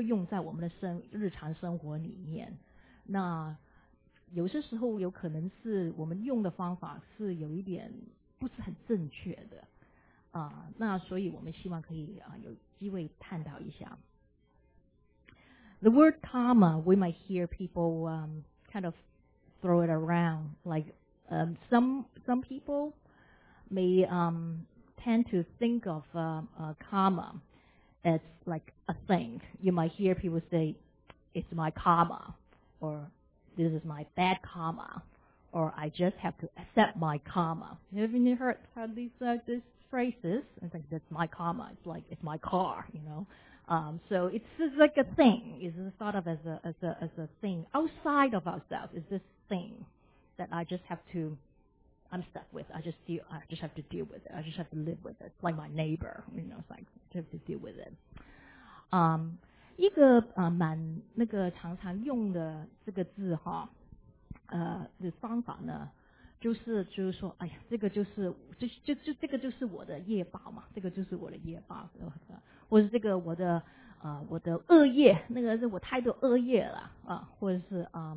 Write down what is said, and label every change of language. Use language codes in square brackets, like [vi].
[zh] 那那个是开玩笑的。那可是我也希望可以用这个机位来花一点点时间来探讨一下，我们用这个"业"这个字哈，尤其是英文了，可能其实中文也有啦，会这个字呢，常常我们会用在我们的日常生活里面。那 有些时候有可能是我们用的方法是有一点不是很正确的，那所以我们希望可以有机会探讨一下。The [en] word karma, we might hear people kind of throw it around, like some people may tend to think of karma as like a thing. You might hear people say, "It's my karma," or "This is my bad karma," or "I just have to accept my karma." Have you heard these phrases? It's like, "That's my karma." It's like, "It's my car," you know. So it's like a thing. It's thought of as a thing outside of ourselves. It's this thing that I'm stuck with. I just have to deal with it. I just have to live with it. It's like my neighbor, you know. It's like, I have to deal with it. [zh] 一个蛮常用的这个字哈，的方法呢，就是说，哎呀，这个就是我的业报嘛，这个就是我的业报，或者这个我的恶业，那个是我太多恶业了啊，或者是